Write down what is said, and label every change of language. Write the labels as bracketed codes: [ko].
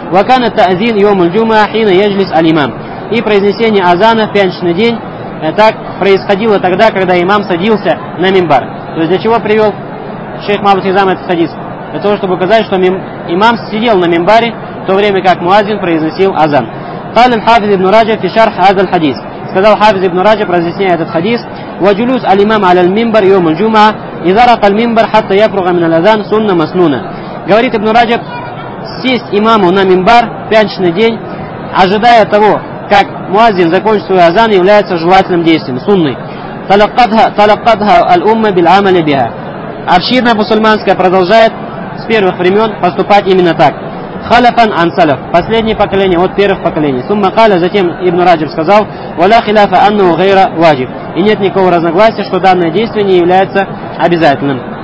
[ar] Ва кана та'зин йом аль-джума хина яджлис аль-имам. [ru] И произнесение азана в пятничный день так происходило тогда, когда имам садился на мимбар. То есть для чего привел шейх Мабут Хизам этот хадис? Для того, чтобы указать, что имам сидел на мимбаре, в то время как муаззин произносил азан. [ar] قال الحافظ ابن رجب في شرح هذا الحديث. [ru] Сказал Хафиз ибн Раджаб, разъясняя этот хадис. [ar] وجلوس الإمام على المنبر يوم الجمعة إذا رق المنبر حتى يفرغ من الأذان سنة مسنونة. [ru] Говорит ибн Раджаб, сесть имаму на мимбар пятничный день, ожидая того, как муаззин закончит свой азан, является желательным действием, сунной. [ar] تلقتها الأمة بالعمل بها. [ru] Община мусульманская продолжает с первых времен поступать именно так. [ar] Халафан ансалаф. [ru] Последнее поколение от первых поколений. [ar] Сумма каля, [ru] затем ибн Раджаб сказал, [ar] валя хиляфа анну гайра ваджиб. [ru] И нет никакого разногласия, что данное действие не является обязательным.